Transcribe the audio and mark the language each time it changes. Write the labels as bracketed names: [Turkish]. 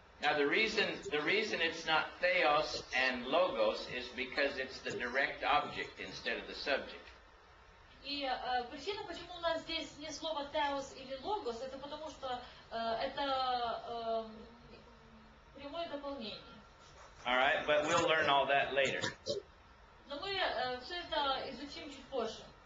[English] Now the reason it's not theos and logos is because it's the direct object instead of the subject. [Russian] И причина, почему у нас здесь не слово «теос» или «логос», это потому что это прямое дополнение. [English] All right, but we'll learn all that later. [Russian] Но мы все это изучим чуть позже.